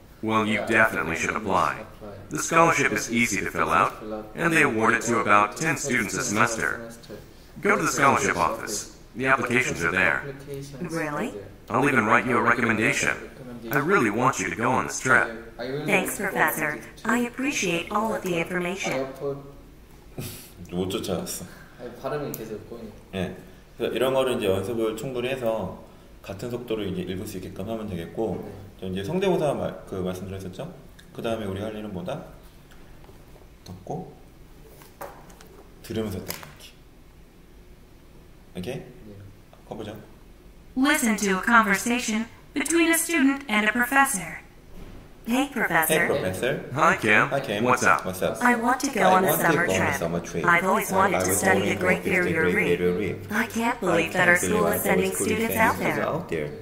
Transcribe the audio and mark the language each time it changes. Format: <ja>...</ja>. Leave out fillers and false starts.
<en>Well, you definitely should apply. The scholarship is easy to fill out, and they award it to about 10 students a semester. Go to the scholarship office. The applications are there. Really? I'll even write you a recommendation. I really want you to go on this trip. Thanks, Professor. I appreciate all of the information.</en> <ko>못 쫓아왔어. 발음이 계속 꼬이네. 네. 이런 거를 이제 연습을 충분히 해서 같은 속도로 이제 읽을 수 있게끔 하면 되겠고, 이제 성대모사 그 말씀드렸었죠? 그 다음에 우리 할 일은 뭐다? 듣고 들으면서 따라 읽기. 오케이? 커보죠.</ko> <en>Listen to a conversation between a student and a professor. Hey, Professor. Hi, Cam. Hi, Cam. What's up? I want to go on a summer trip. I've always wanted to study the Great Barrier Reef. I can't believe that our school is sending students out there.</en>